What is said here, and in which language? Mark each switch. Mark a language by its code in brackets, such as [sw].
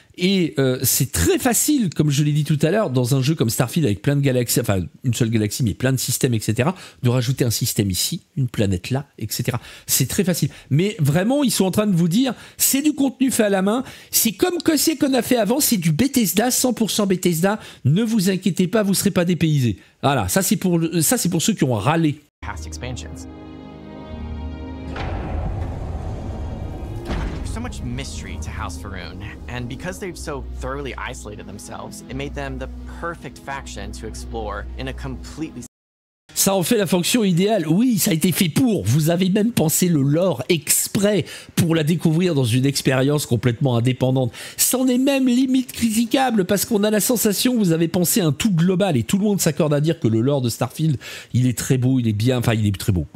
[fr] Et c'est très facile, comme je l'ai dit tout à l'heure, dans un jeu comme Starfield avec plein de galaxies, enfin une seule galaxie mais plein de systèmes, etc., de rajouter un système ici, une planète là, etc. C'est très facile. Mais vraiment, ils sont en train de vous dire, c'est du contenu fait à la main, c'est comme que c'est qu'on a fait avant, c'est du Bethesda, 100% Bethesda, ne vous inquiétez pas, vous ne serez pas dépaysés. Voilà, ça c'est pour ceux qui ont râlé. [en] Past expansions. So much mystery to House Faerûn, and because they've so thoroughly isolated themselves, it made them the perfect faction to explore in a completely. [fr] Ça en fait la fonction idéale. Oui, ça a été fait pour. Vous avez même pensé le lore exprès pour la découvrir dans une expérience complètement indépendante. C'en est même limite critiquable parce qu'on a la sensation que vous avez pensé un tout global et tout le monde s'accorde à dire que le lore de Starfield, il est très beau, il est bien. Enfin, il est très beau.